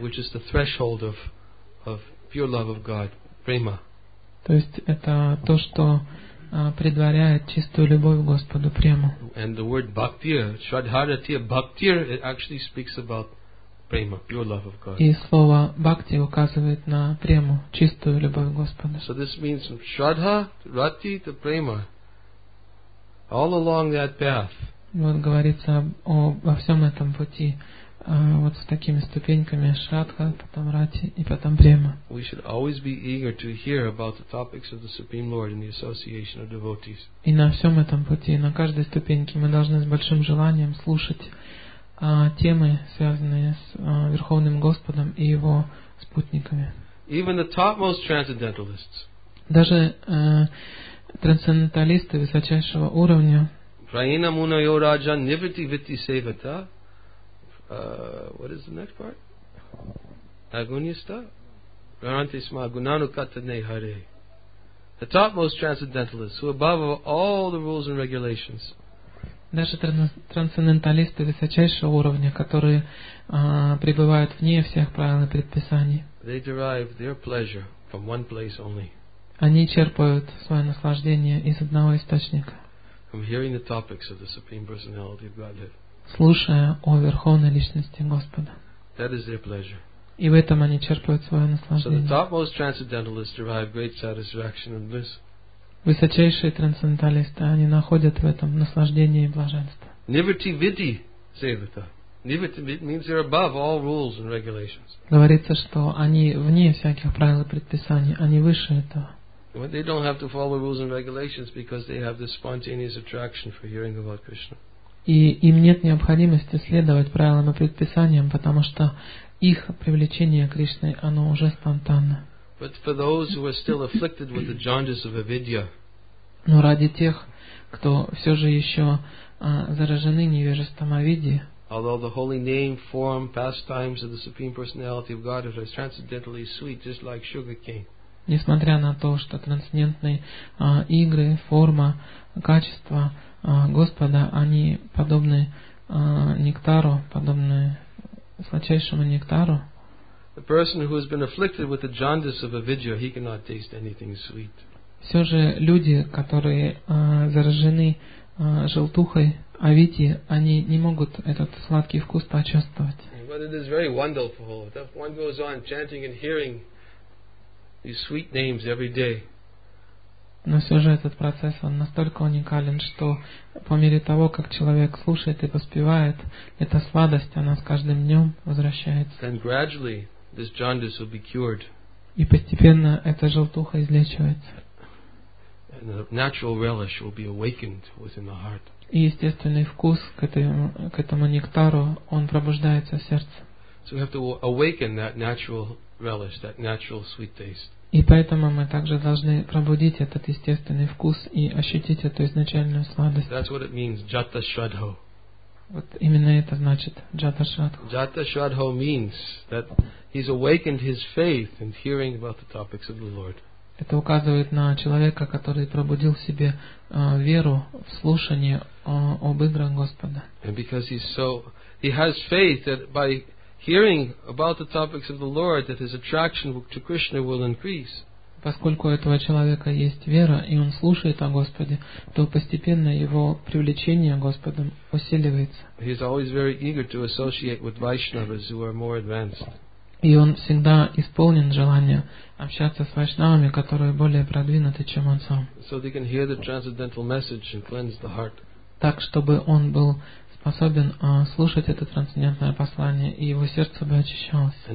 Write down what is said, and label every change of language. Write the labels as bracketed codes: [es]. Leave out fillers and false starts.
[en] Which is the threshold of pure love of God, prema. [ru] То есть это то, что предваряет чистую любовь к Господу, прему. [en] And the word bhakti, shraddha, ratiya, bhakti, it actually speaks about prema, pure love of God. [ru] И слово бхакти указывает на прему, чистую любовь Господа. [en] So this means from shraddha, rati to prema. All along that path. [ru] Вот говорится во всем этом пути, вот с такими ступеньками, шраддха, потом рати и потом према. [en] We should always be eager to hear about the topics of the Supreme Lord in the association of devotees. [ru] И на всем этом пути, на каждой ступеньке мы должны с большим желанием слушать темы, связанные с Верховным Господом и Его спутниками. [en] Even the topmost transcendentalists. [ru] Даже трансценденталисты высочайшего уровня. [sa] Praina munayo rajan nivriti vitti sevata. [en] What is the next part? [sa] Agunista? Rarante sma gunanu katane hare. [en] The topmost transcendentalists, who above all the rules and regulations. [ru] Даже трансценденталисты высочайшего уровня, которые пребывают вне всех правил и предписаний. [en] They derive their pleasure from one place only. [ru] Они черпают свое наслаждение из одного источника. [en] From hearing the topics of the Supreme Personality of Godhead. [ru] Слушая о Верховной Личности Господа. [en] That is their pleasure. [ru] И в этом они черпают свое наслаждение. [en] So the topmost transcendentalists derive great satisfaction and bliss. [ru] Высочайшие трансценденталисты, они находят в этом наслаждение и блаженство. [sa] Nivriti vidhi sevata. [en] Nivriti means they're above all rules and regulations. [ru] Говорится, что они вне всяких правил и предписаний, они выше этого. [en] But they don't have to follow rules and regulations because they have this spontaneous attraction for hearing about Krishna. [ru] И им нет необходимости следовать правилам и предписаниям, потому что их привлечение к Кришне, оно уже спонтанно. [en] But for those who are still afflicted with the jaundice of avidya. [ru] Но ради тех, кто все же еще заражены невежеством авидьи. [en] Although the holy name, form, pastimes of the Supreme Personality of God are transcendentally sweet, just like sugar cane. [ru] Несмотря на то, что трансцендентные игры, форма, качества Господа, они подобны нектару, подобны сладчайшему нектару. [en] The person who has been afflicted with the jaundice of avidya, he cannot taste anything sweet. [ru] Все же люди, которые заражены желтухой авидьи, они не могут этот сладкий вкус почувствовать. [en] But it is very wonderful that one goes on chanting and hearing these sweet names every day. [ru] Но все же этот процесс, он настолько уникален, что по мере того, как человек слушает и поспевает, эта сладость, она с каждым днем возвращается. И постепенно эта желтуха излечивается. И естественный вкус к этому нектару, он пробуждается в сердце. [en] So we have to awaken that natural relish, that natural sweet taste. [ru] И поэтому мы также должны пробудить этот естественный вкус и ощутить эту изначальную сладость. [en] That's what it means, jata shraddho. [ru] Вот именно это значит jata shraddho. [en] Jata shraddho means that he's awakened his faith in hearing about the topics of the Lord. [ru] Это указывает на человека, который пробудил в себе веру в слушание об играх Господа. [en] And because he has faith that by hearing about the topics of the Lord, that his attraction to Krishna will increase. [ru] Поскольку у этого человека есть вера и он слушает о Господе, то постепенно его привлечение Господом усиливается. [en] He is always very eager to associate with Vaishnavas who are more advanced. [ru] И он всегда исполнен желания общаться с вайшнавами, которые более продвинуты, чем он сам. [en] So they can hear the transcendental message and cleanse the heart. [ru] Так чтобы он был способен слушать это трансцендентное послание, и его сердце бы очищалось.